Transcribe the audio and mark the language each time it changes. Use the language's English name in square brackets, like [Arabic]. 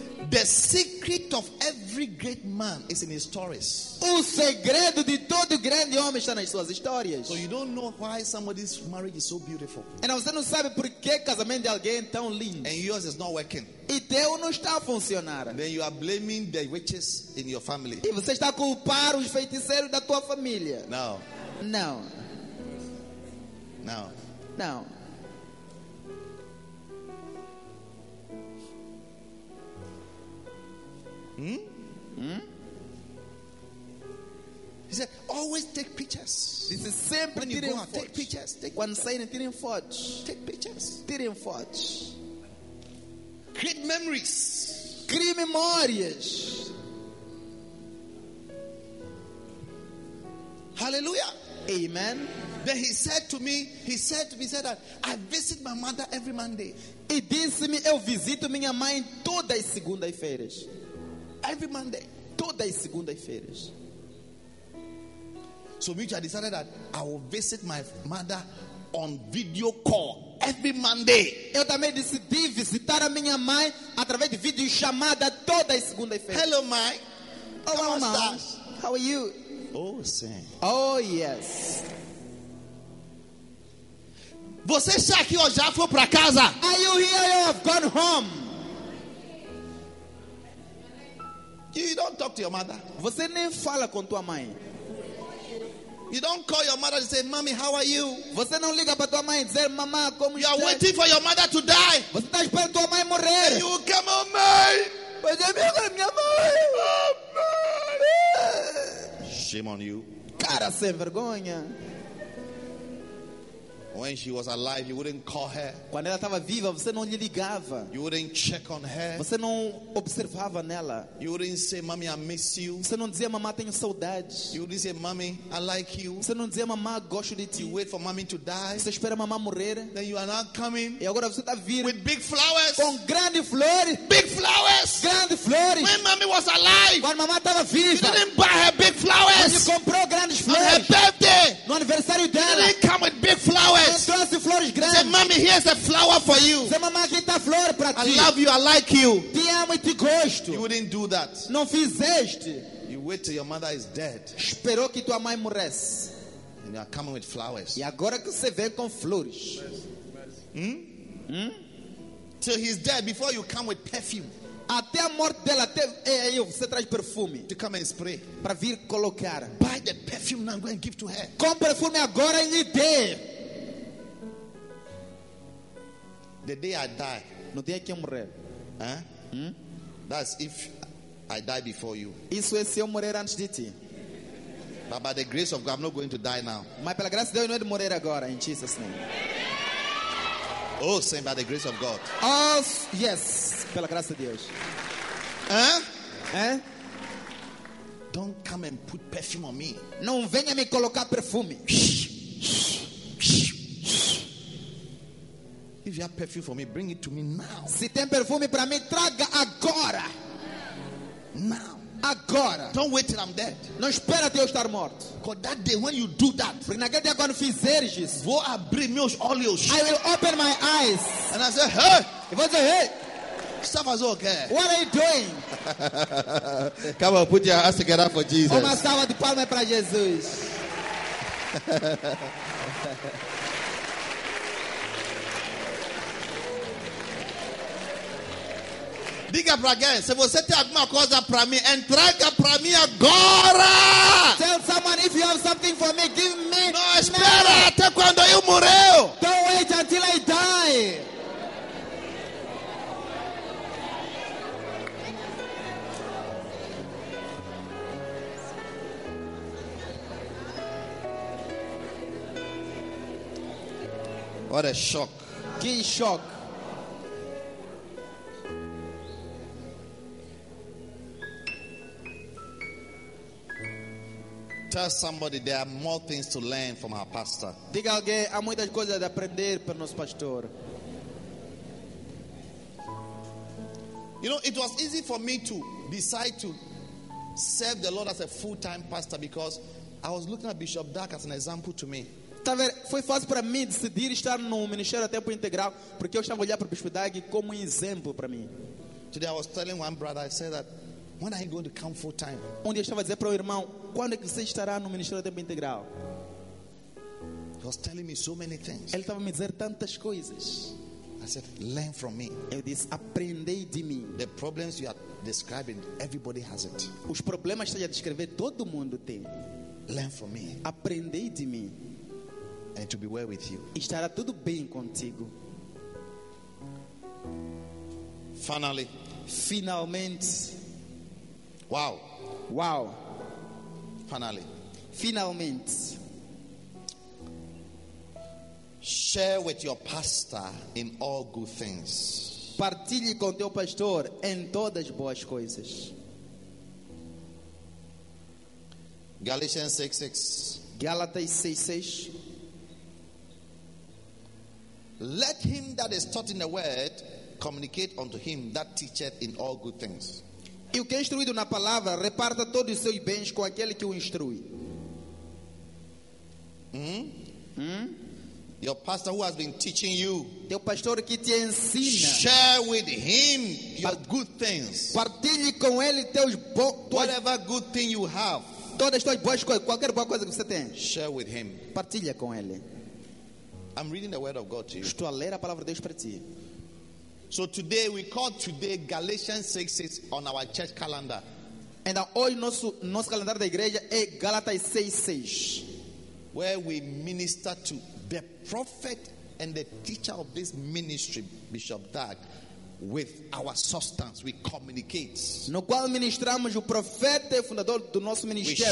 [English] The secret of every great man is in his stories. [Portuguese] O segredo de todo grande homem está nas suas histórias. [English] So you don't know why somebody's marriage is so beautiful. [Portuguese] And você não sabe por que casamento de alguém é tão lindo. [English] And yours is not working. [Portuguese] E teu não está a funcionar. [English] Then you are blaming the witches in your family. [Portuguese] E você está a culpar os feiticeiros da tua família. [English] Não. Now. Now. He said, always take pictures. This is simple. When you go out, take pictures. Take one sign and tire in forge. Take pictures. Tire in forge. Create memories. Create memories. Hallelujah. Amen. Then he said to me that I visit my mother every Monday. [Portuguese] E disse-me, eu visito minha mãe todas as segundas-feiras. [English] Every Monday, [Portuguese] todas as segundas-feiras. [English] So me, I decided that I will visit my mother on video call every Monday. [Portuguese] Eu também decidi visitar a minha mãe através de vídeo chamada todas as segundas-feiras. [English] Hello, mãe. [Portuguese] Olá, mãe. [English] How are you? [Portuguese] Oh, sim. [English] Oh, yes. [Portuguese] Você está aqui ou já foi para casa? [English] Are you here or have gone home? You don't talk to your mother. [Portuguese] Você nem fala com tua mãe. [English] You don't call your mother and say, "Mommy, how are you?" [Portuguese] Você não liga para tua mãe e dizer, "Mamá, como está?" [English] You are waiting for your mother to die. [Portuguese] Você está esperando tua mãe morrer. [English] And you will come, "Oh, mãe." [Portuguese] Pois é, minha mãe. [English] Oh, mãe. Shame on you. [Portuguese] Cara, sem vergonha. [English] When she was alive, you wouldn't call her. [Portuguese] Quando ela estava viva, você não lhe ligava. [English] You wouldn't check on her. [Portuguese] Você não observava nela. [English] You wouldn't say, "Mommy, I miss you." [Portuguese] Você não dizia, "Mamãe, tenho saudades." [English] You wouldn't say, "Mommy, I like you." [Portuguese] Você não dizia, "Mamãe, gosto de ti." [English] You wait for mommy to die. [Portuguese] Você espera mamãe morrer. [English] Then you are not coming. [Portuguese] E agora você está vindo. [English] With big flowers. [Portuguese] Com grandes flores. [English] Big flowers. [Portuguese] Grandes flores. [English] When mommy was alive. [Portuguese] Quando mamãe estava viva. [English] You didn't buy her big flowers. [Portuguese] Você comprou grandes flores. [English] On her birthday. [Portuguese] No aniversário dela. [English] You didn't come with big flowers. [Portuguese] Trouxe flores grandes. [English] Say, "Mommy, here's a flower for you." [Portuguese] Say, "Mamãe, aqui está flor para ti." [English] "I love you, I like you." [Portuguese] Te amo e te gosto. [English] You wouldn't do that. [Portuguese] Não fizeste. [English] You wait till your mother is dead. [Portuguese] Esperou que tua mãe morresse. [English] And you are coming with flowers. [Portuguese] E agora que você vem com flores. [English] Till he's dead, before you come with perfume. [Portuguese] Até a morte dela, até aí você traz perfume. [English] To come and spray. [Portuguese] Para vir colocar. [English] Buy the perfume now and give to her. [Portuguese] Com perfume agora e lhe dê. [English] The day I die. [Portuguese] No dia que eu morrer. [English] That's if I die before you. [Portuguese] Isso é se eu morrer antes de ti. [English] But by the grace of God, I'm not going to die now. [Portuguese] Mas pela graça de Deus, eu não vou morrer agora, [English] in Jesus' name. Oh, saying by the grace of God. Oh, yes, [Portuguese] pela graça de Deus. [English] Don't come and put perfume on me. [Portuguese] Não venha me colocar perfume. [English] If you have perfume for me, bring it to me now. [Portuguese] Se tem perfume para mim, traga agora. [English] Now. [Portuguese] Agora. [English] Don't wait till I'm dead. [Portuguese] Não espera até eu estar morto. [English] Because that day when you do that, [Portuguese] porque naquele dia quando fizeres isso, vou abrir meus olhos. [English] I will open my eyes. And I say, hey. [Portuguese] E vou dizer, hey. [English] Stuff is okay. What are you doing? Come on, put your hands together for Jesus. [Portuguese] Uma salva de palmas para Jesus. Diga para alguém, se você tem alguma coisa para mim, entrega para mim agora. [English] Tell someone if you have something for me, give me. [Portuguese] Não, espera now. Até quando eu morrer. [English] Don't wait until I die. What a shock. [Portuguese] Que shock. [English] Tell somebody there are more things to learn from our pastor. [Portuguese] Diga alguém, há muitas coisas a aprender para nosso pastor. [English] You know, it was easy for me to decide to serve the Lord as a full-time pastor because I was looking at Bishop Dark as an example to me. [Portuguese] Tá vendo? Foi fácil para mim decidir estar no ministério a tempo integral porque eu estava olhando para o Bishop Dark como um exemplo para mim. [English] Today I was telling one brother, I said that when are you going to come full time? [Portuguese] Onde eu estava dizendo para o irmão, quando é que você estará no ministério de tempo integral? [English] He was telling me so many things. [Portuguese] Ele estava me dizendo tantas coisas. [English] I said, learn from me. [Portuguese] Eu disse, aprendei de mim. [English] The problems you are describing, everybody has it. [Portuguese] Os problemas que você está a descrever, todo mundo tem. [English] Learn from me. [Portuguese] Aprendei de mim. [English] And to be well with you. [Portuguese] E estará tudo bem contigo. [English] Finally. [Portuguese] Finalmente. [English] Wow. Wow. Finally. [Portuguese] Finalmente. [English] Share with your pastor in all good things. [Portuguese] Partilhe com teu pastor em todas as boas coisas. [English] Galatians 6:6. [Portuguese] Gálatas 6:6. [English] Let him that is taught in the word communicate unto him that teacheth in all good things. [Portuguese] E o que é instruído na palavra, reparta todos os seus bens com aquele que o instrui. [English] Your pastor who has been teaching you. [Portuguese] Teu pastor que te ensina. [English] Share with him your good things. [Portuguese] Partilhe com ele teus bons. [English] Whatever good thing you have. [Portuguese] Todas as tuas boas coisas, qualquer boa coisa que você tem. [English] Share with him. [Portuguese] Partilha com ele. [English] I'm reading the word of God to you. [Portuguese] Estou a ler a palavra de Deus para ti. [English] So today we call today Galatians 6:6 on our church calendar. [Portuguese] And hoje nosso calendário da igreja é Gálatas 6:6. [English] Where we minister to the prophet and the teacher of this ministry, Bishop Dag, with our substance, we communicate. [Portuguese] No qual ministramos o profeta e fundador do nosso ministério.